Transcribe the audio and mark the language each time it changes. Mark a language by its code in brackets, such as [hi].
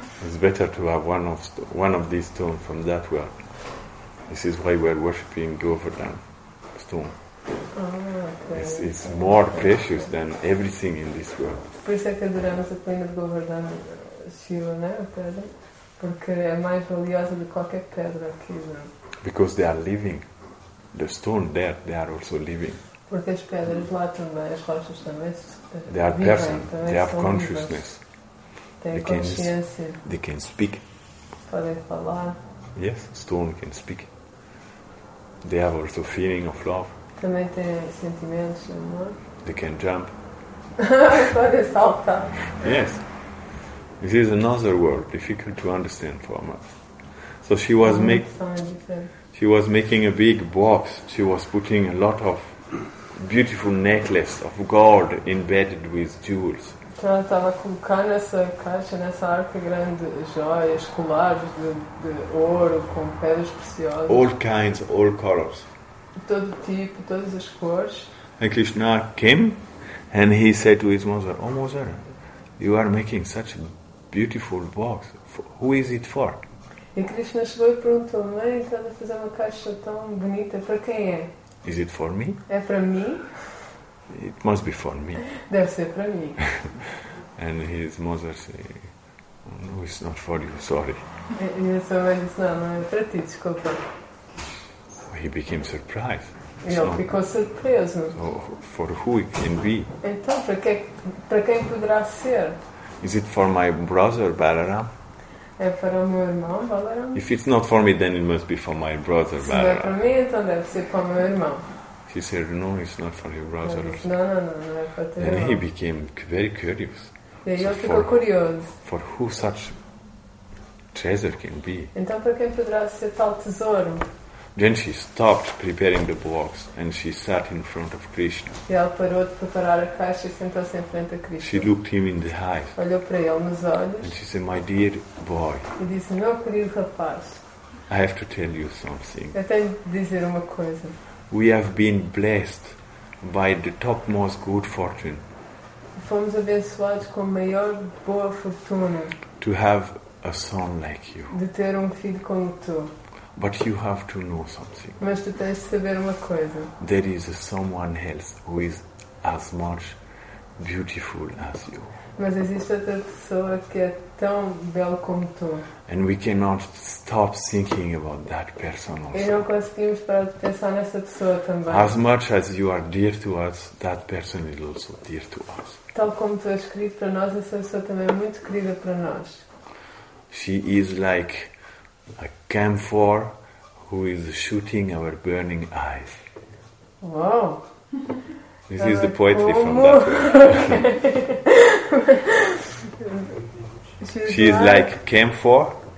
[en] It's better to have one of these stones from that world. This is why we are worshipping Govardhan stone. Ah, okay. It's more precious than everything in this world. [pt] Por isso é que adoramos a pedra de Govardhan Shiva, né? A pedra. Porque é mais valiosa do que qualquer pedra aqui, né? [en] Because they are living. The stone there, they are also living. [pt] Porque as pedras lá também, as rochas também são vivas. [en] They are person. They have consciousness. [pt] Têm consciência. [en] They can speak. [pt] Podem falar. [en] Yes, stone can speak. They have also feeling of love. [pt] Também têm sentimentos de amor. [en] They can jump. [pt] Podem saltar. [en] Yes. This is another world, difficult to understand for us. So she was making a big box. She was putting a lot of beautiful necklace of gold embedded with jewels. [pt] Então ela estava colocando nessa caixa, nessa arca grande, joias, colares de ouro com pedras preciosas. [en] All kinds, all colors. [pt] Todo tipo, todas as cores. [en] And Krishna came and he said to his mother, "Oh mother, you are making such a beautiful box. Who is it for?" [pt] E Krishna chegou e perguntou, mãe, estás a fazer uma caixa tão bonita, para quem é? [en] Is it for me? [pt] É para mim? [en] It must be for me. [pt] Deve ser para mim. [en] And his mother said, "No, it's not for you, sorry." [pt] E a sua mãe disse, não, não é para ti, desculpa. [en] He became surprised. [pt] E ele ficou surpreso. [en] So, for who it can be? [pt] Então, para quem poderá ser? [en] Is it for my brother, Balaram? [pt] É para o meu irmão, Balaram? [en] If it's not for me, then it must be for my brother, Balaram. [pt] Se não é para mim, então deve ser para o meu irmão. [en] She said, "No, it's not for your brother." [pt] Não, não, não, não é para teu [en] then [pt] irmão. [en] Then he became very curious. [pt] E aí so ele ficou curioso. [en] For who such treasure can be? [pt] Então para quem poderá ser tal tesouro? [en] Then she stopped preparing the box and she sat in front of Krishna. [pt] E ela parou de preparar a caixa e sentou-se em frente a Krishna. [en] She looked him in the eyes. [pt] Olhou para ele nos olhos. [en] And she said, "My dear boy." [pt] E disse, meu querido rapaz. [en] I have to tell you something. [pt] Eu tenho de dizer uma coisa. [en] We have been blessed by the topmost good fortune. [pt] Fomos abençoados com a maior boa fortuna. [en] To have a son like you. [pt] De ter filho como tu. [en] But you have to know something. [pt] Mas tu tens de saber uma coisa. [en] There is someone else who is as much beautiful as you. [pt] Mas existe outra pessoa que é tão bela como tu. [en] And we cannot stop thinking about that person also. [pt] E não conseguimos parar de pensar nessa pessoa também. [en] As much as you are dear to us, that person is also dear to us. [pt] Tal como tu és querido para nós, essa pessoa também é muito querida para nós. [en] She is like a camphor who is shooting our burning eyes. Wow. This is the poetry from that world. She is like camphor.